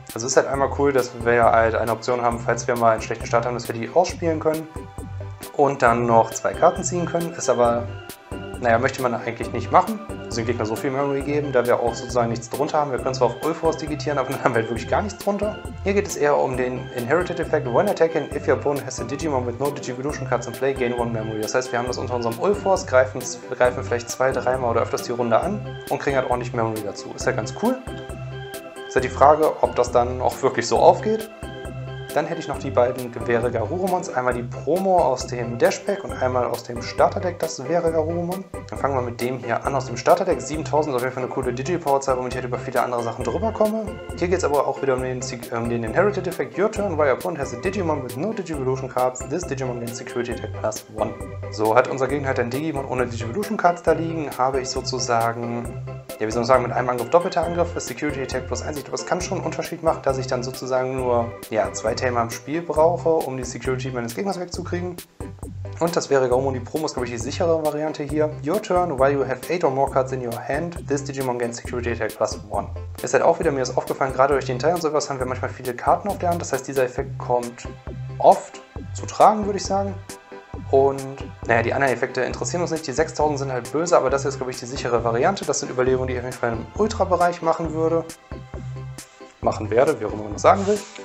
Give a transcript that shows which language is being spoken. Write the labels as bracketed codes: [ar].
[de] Also ist halt einmal cool, dass wir ja halt eine Option haben, falls wir mal einen schlechten Start haben, dass wir die ausspielen können. Und dann noch 2 Karten ziehen können, ist aber, naja, möchte man eigentlich nicht machen. Also dem Gegner so viel Memory geben, da wir auch sozusagen nichts drunter haben. Wir können zwar auf Ulfos digitieren, aber dann haben wir halt wirklich gar nichts drunter. Hier geht es eher um den Inherited Effect. [en] When attacking, if your opponent has a Digimon with no Digivolution Cards in play, gain 1 Memory. [de] Das heißt, wir haben das unter unserem Ulfos, greifen vielleicht 2-3 Mal oder öfters die Runde an und kriegen halt ordentlich Memory dazu. Ist ja halt ganz cool. Ist ja halt die Frage, ob das dann auch wirklich so aufgeht. Dann hätte ich noch die beiden Gewehre Garurumons. Einmal die Promo aus dem Dashback und einmal aus dem Starterdeck, das wäre Garurumon. Dann fangen wir mit dem hier an aus dem Starterdeck. 7000 ist auf jeden Fall eine coole Digipower-Zahl, womit ich halt über viele andere Sachen drüber komme. Hier geht es aber auch wieder um den Inherited Effect. [en] Your turn, while your opponent has a Digimon with no Digivolution Cards. This Digimon gains Security Attack plus 1. [de] So hat unser Gegner halt ein Digimon ohne Digivolution Cards da liegen. Habe ich sozusagen, ja, wie soll man sagen, mit einem Angriff doppelter Angriff ist Security Attack plus 1. Ich glaube, das kann schon einen Unterschied machen, dass ich dann sozusagen nur, ja, 2 Tamer im Spiel brauche, um die Security meines Gegners wegzukriegen. Und das wäre Garurumon, die Promo ist, glaube ich, die sichere Variante hier. [en] Your turn, while you have 8 or more cards in your hand, this Digimon gains Security Attack plus 1. [de] Ist halt auch wieder, mir ist aufgefallen, gerade durch den Teil und sowas haben wir manchmal viele Karten auf der Hand. Das heißt, dieser Effekt kommt oft zu tragen, würde ich sagen. Und, naja, die anderen Effekte interessieren uns nicht. Die 6000 sind halt böse, aber das ist, glaube ich, die sichere Variante. Das sind Überlegungen, die ich auf jeden Fall im Ultra-Bereich machen werde, wie auch immer man das sagen will.